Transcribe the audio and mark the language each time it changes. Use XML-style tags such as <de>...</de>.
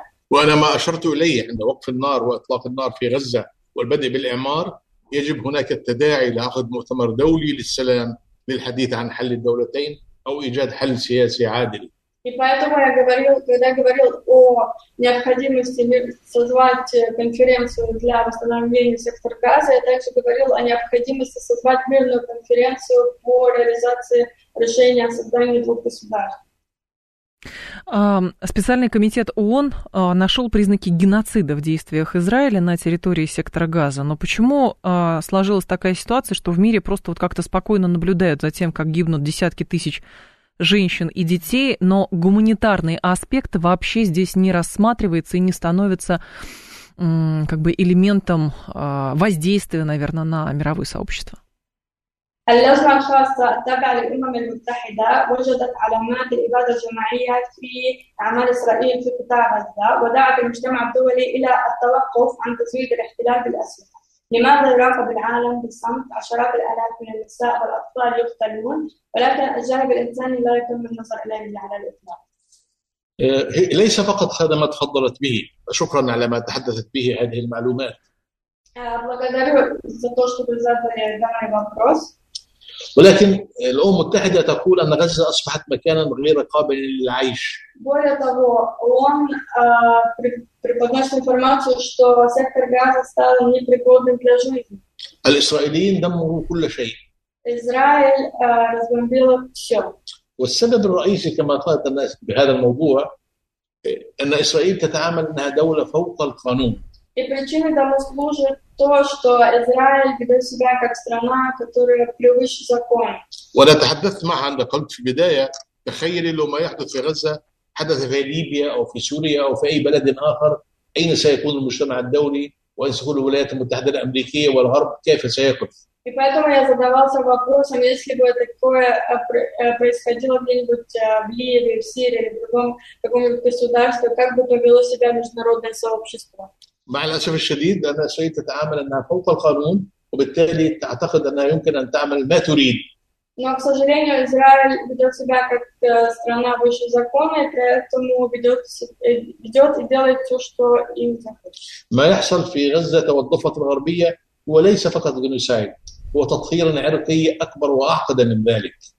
<ar>وأنا ما أشرت إليه عند وقف النار وإطلاق النار في غزة والبدء بالإعمار يجب هناك التداعي لعقد مؤتمر دولي للسلام للحديث عن حل الدولتين أو إيجاد حل سياسي عادل.</ar> <ru>И поэтому я говорил, когда говорил о необходимости созвать конференцию для восстановления сектора Газа, я также говорил о необходимости созвать мирную конференцию по реализации решения о создании двух государств. Специальный комитет ООН нашел признаки геноцида в действиях Израиля на территории сектора Газа. Но почему сложилась такая ситуация, что в мире просто вот как-то спокойно наблюдают за тем, как гибнут десятки тысяч женщин и детей, но гуманитарный аспект вообще здесь не рассматривается и не становится как бы элементом воздействия, наверное, на мировое сообщество?</ru> <ar>اللجنة الخاصة التابعة للأمم المتحدة وجدت علامات الإبادة الجماعية في أعمال إسرائيل في قطاع غزة ودعت المجتمع الدولي إلى التوقف عن تزويد الاحتلال بالأسلحة. لماذا يرافق العالم بالصمت عشرات الآلاف من النساء والأطفال يقتلون ولكن الجانب الإنساني لا يتم النظر إليه على الإطلاق؟ ليس فقط هذا ما تفضلت به، شكرا على ما تحدثت به هذه المعلومات.</ar> <ru>Благодарю за то, что вы задали данный вопрос.</ru> <ar>ولكن الأمم المتحدة تقول أن غزة أصبحت مكانا غير قابل للعيش.</ar> <ru>более того, он преподносит информацию, что сектор Газа стал непригодным для жизни.</ru> <ar>الإسرائيليين دمروا كل شيء.</ar> <ru>إسرائيل разбомбил все.</ru> <ar>والسبب الرئيسي كما قالت الناس بهذا الموضوع أن إسرائيل تتعامل أنها دولة فوق القانون.</ar> <ru>И причиной тому служит то, что Израиль ведет себя как страна, которая превыше закона.</ru> <ar>ولا تحدثت معها عند قلت في البداية تخيلي لو ما يحدث في غزة حدث في ليبيا أو في سوريا أو في أي بلد آخر أين سيكون المجتمع الدولي وأين سيكون الولايات المتحدة الأمريكية والغرب كيف سيقف؟</ar> <ru>И поэтому я задавался вопросом, если бы такое происходило где-нибудь в Ливии, в Сирии или в другом каком-нибудь государстве, как бы повело себя международное сообщество?</ru> <ar>مع الأسف الشديد أن إسرائيل تتعامل أنها فوق القانون وبالتالي تعتقد أنها يمكن أن تعمل ما تريد.</ar> <ru>Но, к сожалению, Израиль ведет себя как страна выше закона, и поэтому ведет и делает все, что им захочет.</ru> <ar>ما يحصل في غزة والضفة الغربية هو ليس فقط جنوسايد, هو تطهير عرقي أكبر وأعقد من ذلك.</ar>